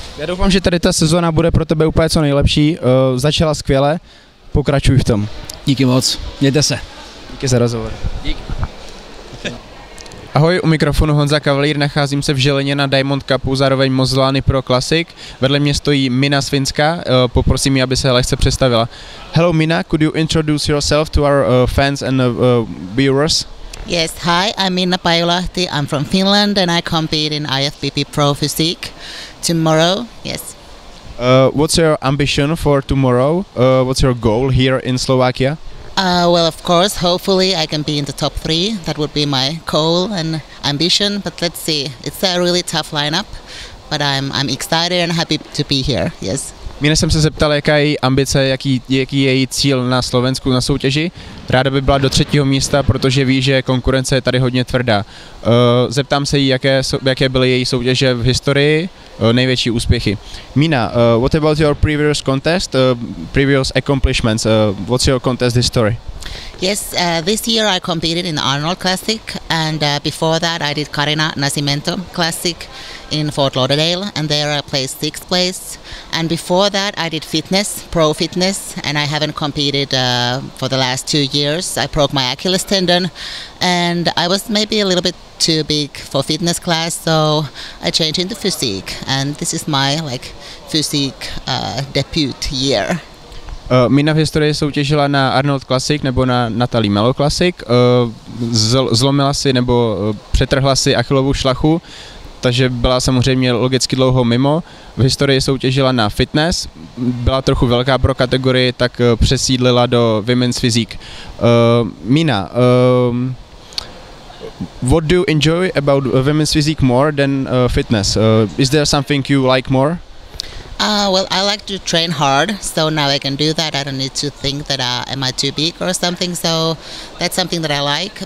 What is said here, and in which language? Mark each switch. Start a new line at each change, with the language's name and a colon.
Czech: Já doufám, že tady ta sezona bude pro tebe úplně co nejlepší, začala skvěle, pokračuj v tom. Díky moc, mějte se. Díky za rozhovor. Díky. Ahoj, u mikrofonu Honza Kavalír, nacházím se v Žilině na Diamond Cupu, zároveň Mozlány Pro Classic. Vedle mě stojí Mina z Finska, poprosím ji, aby se lehce představila.
English: Hello Mina, could you introduce yourself to our fans and viewers? Yes, hi, I'm Mina Pajulahti, I'm from Finland and I compete in IFBB Pro Physique tomorrow, yes. What's your ambition for tomorrow? What's your goal here in Slovakia? Well, of course, hopefully I can be in the top three. That would be my goal and ambition, but let's see. It's a really tough lineup, but I'm excited and happy to be here, yes.
Czech: Mina, jsem se zeptal, jaká je její ambice, jaký je její cíl na Slovensku na soutěži. Ráda by byla do třetího místa, protože ví, že konkurence je tady hodně tvrdá. Zeptám se jí, jaké byly její soutěže v historii, největší úspěchy.
English: Mina, what about your previous contest, previous accomplishments, what's your contest history? Yes, this year I competed in the Arnold Classic and before that I did Karina Nascimento Classic in Fort Lauderdale and there I placed 6th place and before that I did fitness, pro fitness and I haven't competed for the last 2 years. I broke my Achilles tendon and I was maybe a little bit too big for fitness class so I changed into physique and this is my like physique debut year.
Czech: Mina v historii soutěžila na Arnold Classic nebo na Natalie Melo Classic, zlomila si nebo přetrhla si achilovou šlachu, takže byla samozřejmě logicky dlouho mimo. V historii soutěžila na fitness, byla trochu velká pro kategorii, tak přesídlila do Women's Physique.
English: Mina, what do you enjoy about Women's Physique more than fitness? Is there something you like more? Well, I like to train hard, so now I can do that. I don't need to think that am I too big or something, so that's something that I like.